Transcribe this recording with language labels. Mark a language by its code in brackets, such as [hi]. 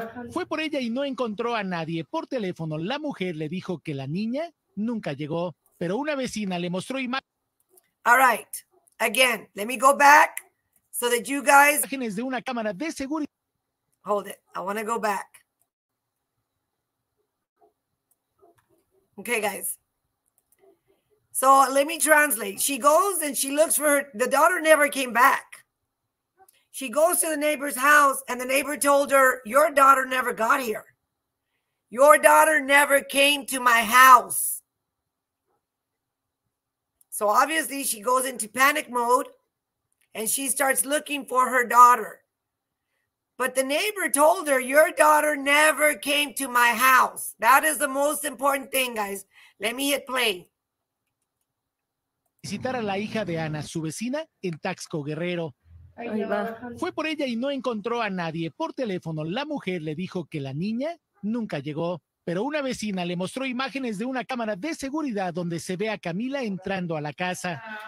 [es] Fue por ella y no encontró a nadie. Por teléfono, la mujer le dijo que la niña nunca llegó, pero una vecina le mostró [en] All right. Again, let me go back so that you guys... [es] Imágenes de una cámara de seguridad. [en] Hold it. I want to go back. Okay, guys. So let me translate. She goes and she looks for her... The daughter never came back. She goes to the neighbor's house and the neighbor told her, "Your daughter never got here. Your daughter never came to my house." So obviously she goes into panic mode and she starts looking for her daughter. But the neighbor told her, "Your daughter never came to my house." That is the most important thing, guys. Let me hit play. [es] Visitar a la hija de Ana, su vecina, en Taxco, Guerrero. Ahí va. Fue por ella y no encontró a nadie. Por teléfono, la mujer le dijo que la niña nunca llegó. Pero una vecina le mostró imágenes de una cámara de seguridad donde se ve a Camila entrando a la casa.